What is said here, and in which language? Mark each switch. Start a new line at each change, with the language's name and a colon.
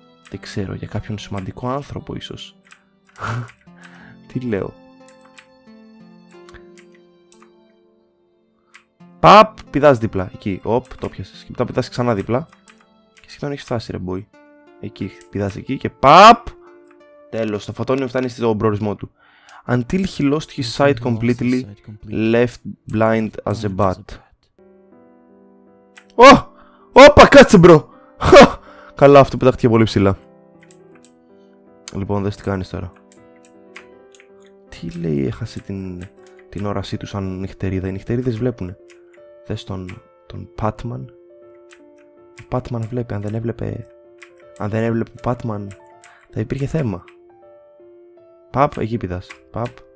Greek: Δεν ξέρω, για κάποιον σημαντικό άνθρωπο ίσως. Τι λέω. Παπ, πηδάς δίπλα. Εκεί, οπ, το πιάσες. Και μετά πηδάς ξανά δίπλα. Και σχεδόν έχεις φτάσει ρε μπούι. Εκεί, πηδάς εκεί και παπ. Τέλος, το φωτόνιο φτάνει στον προορισμό του.
English: Until he lost his sight completely, left blind as a bat.
Greek: Ω, όπα, κάτσε μπρο. Καλά, αυτό πετάχτηκε πολύ ψηλά. Λοιπόν, δες τι κάνεις τώρα. Τι λέει, έχασε την όρασή του σαν νυχτερίδα. Οι νυχτερίδες βλέπουνε. Δες τον Πάτμαν. Ο Πάτμαν βλέπει, αν δεν έβλεπε ο Πάτμαν, θα υπήρχε θέμα. Παπ, εκεί πηδάς. Παπ.